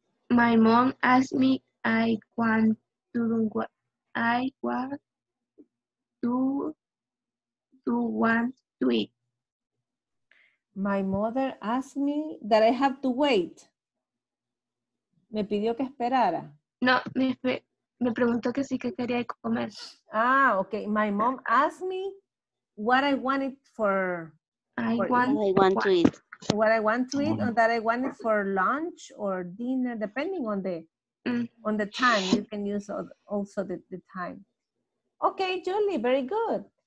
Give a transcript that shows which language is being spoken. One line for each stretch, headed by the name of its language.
English: My mom asked me, I want to eat. My mother asked me that I have to wait.
Spanish: Me pidió que esperara. No, me preguntó que sí que quería comer.
English: Ah, okay. My mom asked me what I wanted for. I want to eat. What I want to eat, or that I wanted for lunch or dinner, depending on the on the time. You can use also the time. Okay, Julie, very good.